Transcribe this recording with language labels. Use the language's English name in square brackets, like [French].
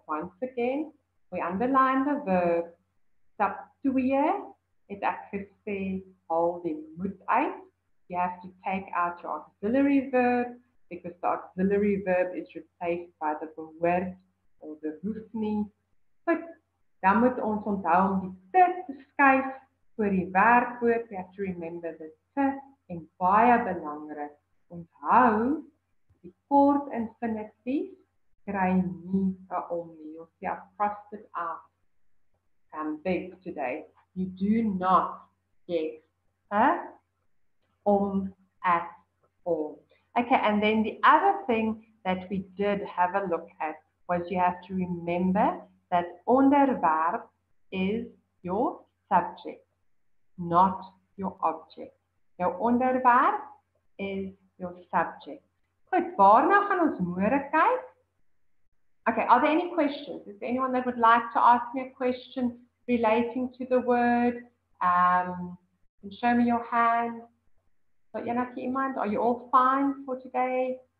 [English] Once again, we underline the verb. [Afrikaans] Stap twee, het ek gesê, haal die moed uit. [English] You have to take out your auxiliary verb because the auxiliary verb is replaced by the bewerk or the oefening. [Afrikaans] But dan moet ons onthou om die te skuif voor die werkwoord. [English] We have to remember the te [Afrikaans] en baie belangrik. Onthou, die kort infinitief kry nie om nie. [English] You see, I've crossed it out. I'm big today. You do not get a om at all. Okay, and then the other thing that we did have a look at was you have to remember that onderwerp is your subject, not your object. [Afrikaans] Jou onderwerp is [English] your subject. [Afrikaans] Goed, waarna gaan ons môre kyk? [English] Okay, are there any questions? Is there anyone that would like to ask me a question relating to the word? And show me your hand. But Yanaki Imand, are you all fine for today?